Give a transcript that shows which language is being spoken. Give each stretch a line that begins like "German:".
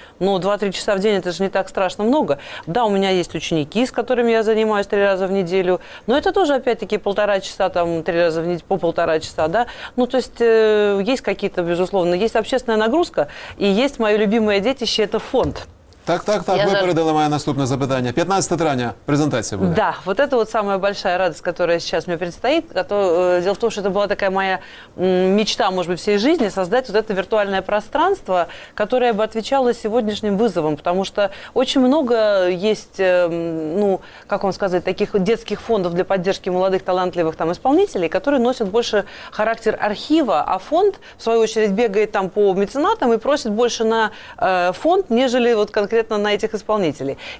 Russian: Но 2-3 часа в день это же не так страшно много. Да, у меня есть ученики, с которыми я занимаюсь 3 раза в неделю, но это тоже, опять-таки, 1,5 часа там, 3 раза в неделю, по 1,5 часа, да. Ну, то есть, есть какие-то, безусловно, есть общественная нагрузка, и есть мое любимое детище, это фонд.
Ukrainian: Так, ви передали моє наступне запитання. 15 травня презентація буде.
Russian: Да, вот это вот самая большая радость, которая сейчас мне предстоит. Дело в том, что это была такая моя мечта, может быть, всей жизни, создать вот это виртуальное пространство, которое бы отвечало сегодняшним вызовам, потому что очень много есть, ну, как вам сказать, таких детских фондов для поддержки молодых талантливых там исполнителей, которые носят больше характер архива, а фонд, в свою очередь, бегает там по меценатам и просит больше на фонд, нежели вот конкретно на этих исполнителей.